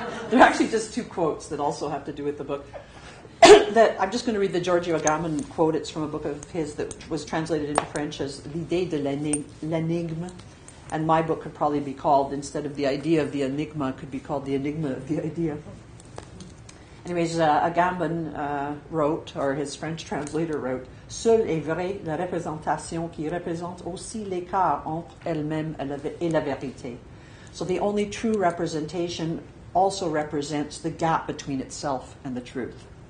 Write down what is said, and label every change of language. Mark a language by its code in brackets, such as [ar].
[en] They're actually just two quotes that also have to do with the book. That I'm just going to read the Giorgio Agamben quote. It's from a book of his that was translated into French as L'idée de l'énigme. And my book could probably be called, instead of The Idea of the Enigma, could be called The Enigma of the Idea. Anyways, Agamben wrote, or his French translator wrote, [fr] Seule est vraie la représentation qui représente aussi l'écart entre elle-même et la vérité. [en] So the only true representation also represents the gap between itself and the truth.